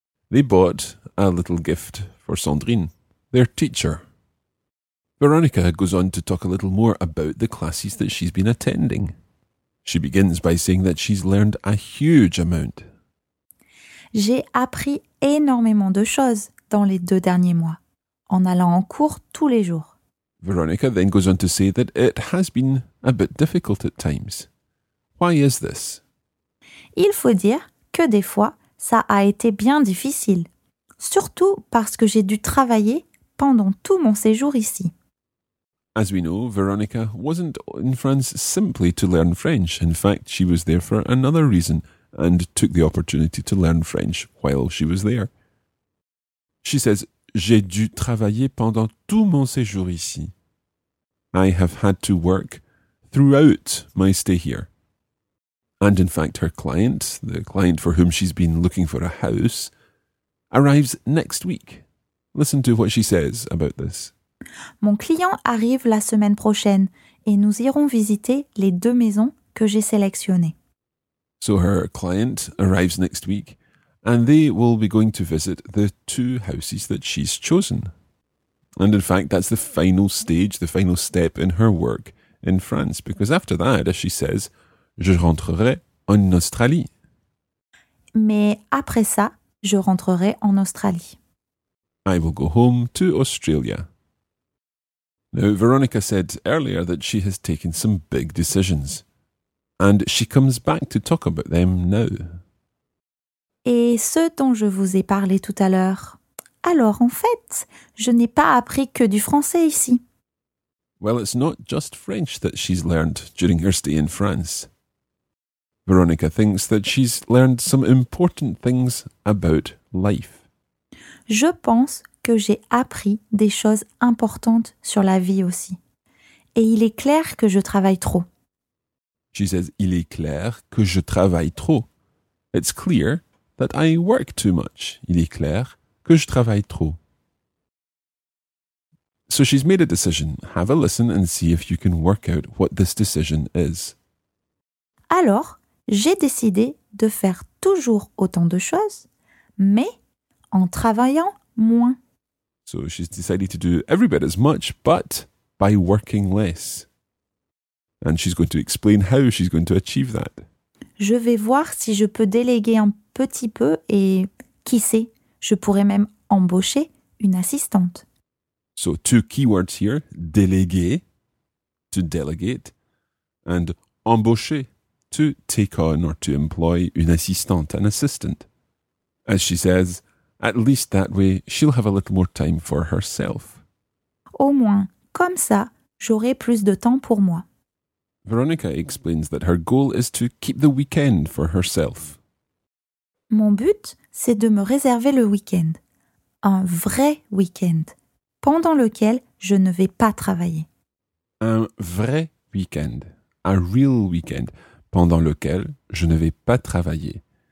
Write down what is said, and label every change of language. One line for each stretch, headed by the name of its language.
English: They bought a little gift for Sandrine, their teacher. Veronica goes on to talk a little more about the classes that she's been attending. She begins by saying that she's learned a huge amount.
French: J'ai appris énormément de choses dans les deux derniers mois, en allant en cours tous les jours.
English: Veronica then goes on to say that it has been a bit difficult at times. Why is this?
French: Il faut dire que des fois, ça a été bien difficile. Surtout parce que j'ai dû travailler pendant tout mon séjour ici.
English: As we know, Veronica wasn't in France simply to learn French. In fact, she was there for another reason and took the opportunity to learn French while she was there. She says,
French: j'ai dû travailler pendant tout mon séjour ici.
English: I have had to work throughout my stay here. And in fact, her client, the client for whom she's been looking for a house, arrives next week. Listen to what she says about this.
French: Mon client arrive la semaine prochaine et nous irons visiter les deux maisons que j'ai sélectionnées.
English: So her client arrives next week. And they will be going to visit the two houses that she's chosen. And in fact, that's the final stage, the final step in her work in France. Because after that, as she says,
French: je rentrerai en Australie. Mais après ça, je rentrerai en Australie.
English: I will go home to Australia. Now, Veronica said earlier that she has taken some big decisions. And she comes back to talk about them now.
French: Et ce dont je vous ai parlé tout à l'heure. Alors, en fait, je n'ai pas appris que du français ici.
English: Well, it's not just French that she's learned during her stay in France. Veronica thinks that she's learned some important things about life.
French: Je pense que j'ai appris des choses importantes sur la vie aussi. Et il est clair que je travaille trop.
English: She says,
French: il est clair que je travaille trop.
English: It's clear that I work too much.
French: Il est clair que je travaille trop.
English: So she's made a decision. Have a listen and see if you can work out what this decision is.
French: Alors, j'ai décidé de faire toujours autant de choses, mais en travaillant moins.
English: So she's decided to do every bit as much, but by working less. And she's going to explain how she's going to achieve that.
French: Je vais voir si je peux déléguer un petit peu et, qui sait, je pourrais même embaucher une assistante.
English: So two keywords here, déléguer, to delegate, and embaucher, to take on or to employ une assistante, an assistant. As she says, at least that way, she'll have a little more time for herself.
French: Au moins, comme ça, j'aurai plus de temps pour moi.
English: Veronica explains that her goal is to keep the weekend for herself.
French: Mon but, c'est de me réserver le week-end. Un vrai week-end, pendant lequel je ne vais pas travailler. Un vrai week-end,
English: a real week-end,
French: pendant lequel je ne vais pas travailler.